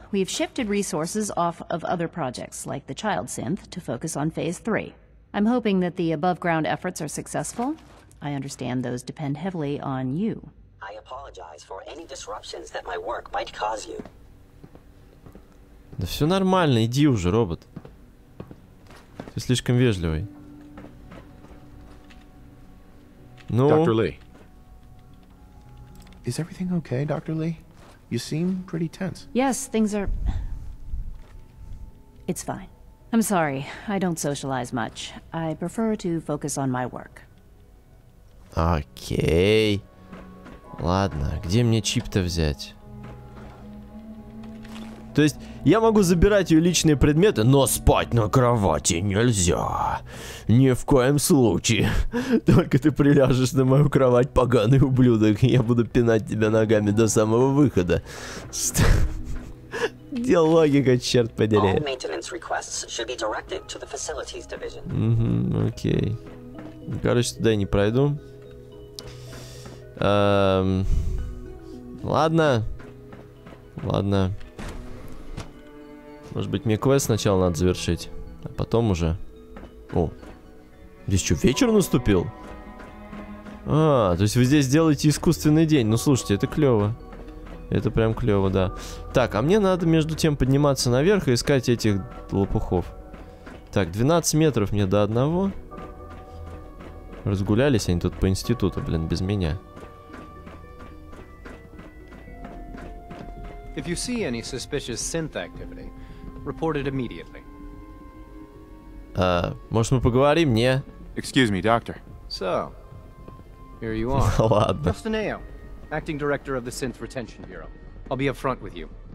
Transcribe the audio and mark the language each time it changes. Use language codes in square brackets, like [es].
[en] We've shifted resources off of other projects, like the Child Synth, to focus on Phase 3. I'm hoping that the above-ground efforts are successful. I understand those depend heavily on you. I apologize for any disruptions that my work might cause you. [ru] Да все нормально, иди уже, робот. Ты слишком вежливый. Ну? [en] Dr. Lee. Is everything okay, Dr. Lee? You seem pretty tense. Yes, things are... It's fine. I'm sorry, I don't socialize much. I prefer to focus on my work. [ru] Окей. Ладно, где мне чип-то взять? То есть, я могу забирать ее личные предметы, но спать на кровати нельзя. Ни в коем случае. Только ты приляжешь на мою кровать, поганый ублюдок, и я буду пинать тебя ногами до самого выхода. Где логика, черт подери? [en] All maintenance requests should be directed to the facilities division. [ru] Угу, окей. Короче, туда я не пройду. Ладно. Ладно. Может быть, мне квест сначала надо завершить, а потом уже... О, здесь что, вечер наступил? А, то есть вы здесь делаете искусственный день. Ну, слушайте, это клево. Это прям клево, да. Так, а мне надо между тем подниматься наверх и искать этих лопухов. Так, 12 метров мне до одного. Разгулялись они тут по институту, блин, без меня. [en] If you see any suspicious synth activity, report it immediately. [ru] Может мы поговорим, не? [en] Excuse me, doctor. So, here you are. [ru] Ладно. [en] Justineo, acting director of the Synth Retention Bureau. I'll be up front with you.